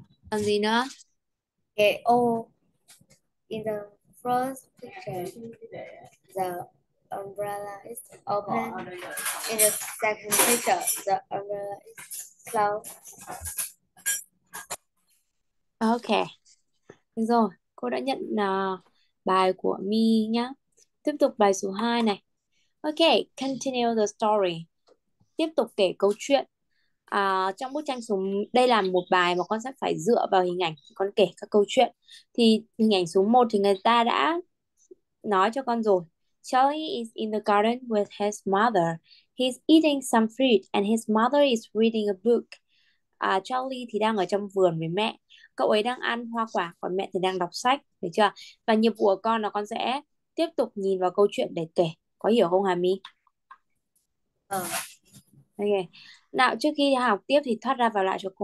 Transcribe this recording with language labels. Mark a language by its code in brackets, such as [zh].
[vi] Còn gì nữa? [en] Okay, oh. In the first picture, the umbrella is open. In the second picture, the umbrella is closed. Okay. [vi] Rồi, cô đã nhận bài của Mi nhá. Tiếp tục bài số 2 này. [en] Okay, continue the story. [vi] Tiếp tục kể câu chuyện. À, trong bức tranh số, đây là một bài mà con sẽ phải dựa vào hình ảnh, con kể các câu chuyện. Thì hình ảnh số 1 thì người ta đã nói cho con rồi. [en] Charlie is in the garden with his mother. He's eating some fruit and his mother is reading a book. [vi] À, Charlie thì đang ở trong vườn với mẹ. Cậu ấy đang ăn hoa quả, còn mẹ thì đang đọc sách, được chưa? Và nhiệm vụ của con là con sẽ tiếp tục nhìn vào câu chuyện để kể. Có hiểu không Hà Mi? Ờ. Okay. Nào trước khi học tiếp thì thoát ra vào lại cho cô.